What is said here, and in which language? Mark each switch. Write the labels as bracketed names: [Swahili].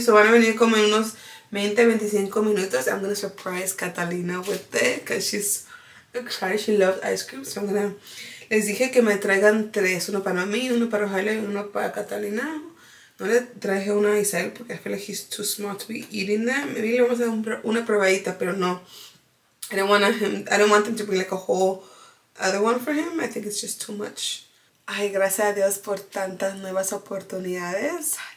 [Spanish] So van a venir como en unos 20, 25 minutos. [English] I'm gonna surprise Catalina with it because she's excited. She loves ice cream. So I'm gonna. [Spanish] Les dije que me traigan tres: uno para mí, uno para Ojalá y uno para Catalina. No le traje una a Isabel porque [English] I feel like he's too small to be eating them. [Spanish] Maybe le vamos a dar una probadita, pero no. [English] I don't want them to bring like a whole other one for him. I think it's just too much. [Spanish] Ay, gracias a Dios por tantas nuevas oportunidades.